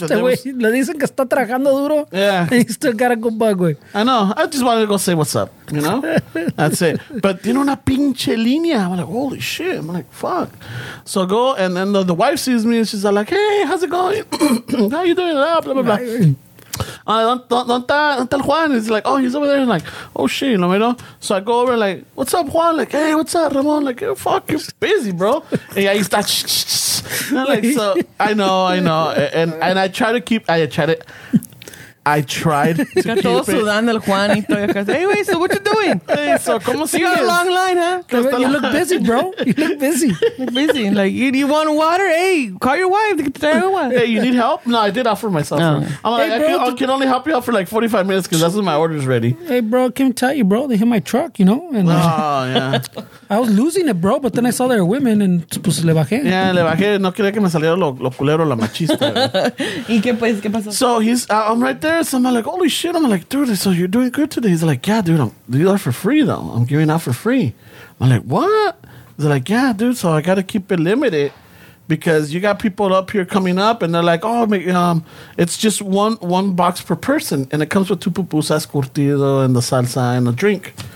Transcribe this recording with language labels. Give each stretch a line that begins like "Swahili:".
Spanish: Este güey, le dicen que está trabajando duro.
English: Yeah. And he still got a good bug, güey. I know. I just wanted to go say what's up, you know? That's it. But
Spanish: tiene una pinche línea.
English: I'm like, holy shit. I'm like, fuck. So I go, and then the wife sees me, and she's like, hey, how's it going? How you doing? Blah, blah, blah, blah. Don't tell Juan. He's like, oh, he's over there. I'm like, oh shit, you know, you know. So I go over and like, what's up, Juan? Like, hey, what's up, Ramon? Like, hey, fuck, you're busy, bro. And yeah, he starts like, so I know. And I tried to keep it.
Spanish: Sudando el Juan.
English: Hey, wait, so what you doing? Hey, so como si you got a long line, huh? You look busy, bro. You look busy. Busy. Like, you want water? Hey, call your wife. Hey, you need help? No, I did offer myself. No. I'm like, hey, I can only help you out for like 45 minutes because that's when my order's ready. Hey, bro, can I tell you, bro? They hit my truck, you know? And yeah. I was losing it, bro, but then I saw there were women and
Spanish: pues le bajé. Yeah, le bajé. No quería que me saliera lo culero, la machista. ¿Y qué pues? ¿Qué pasó?
English: So I'm right there. So I'm like, holy shit. I'm like, dude, so you're doing good today. He's like, yeah, dude, these are for free though. I'm giving out for free. I'm like, what? He's like, yeah, dude, so I gotta keep it limited because you got people up here coming up and they're like, it's just one box per person and it comes with two pupusas, curtido, and the salsa and a drink.